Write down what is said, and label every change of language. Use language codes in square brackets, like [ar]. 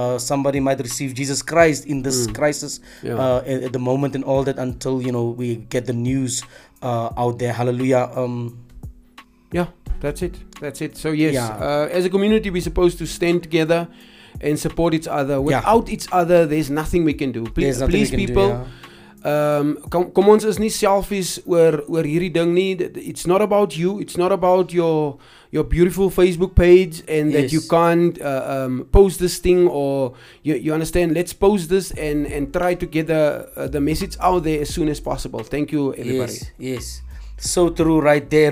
[en] Somebody might receive Jesus Christ in this crisis at the moment and all that, until we get the news out there. Hallelujah. That's it. So yes, as a community, we're supposed to stand together and support each other. Without each other, there's nothing we can do. Please people. [af] Kom ons is nie selfies oor hierdie ding nie. [en] It's not about you. It's not about your beautiful Facebook page and that you can't post this thing, or you understand. Let's post this and try to get the message out there as soon as possible. Thank you, everybody. Yes. So true, right there.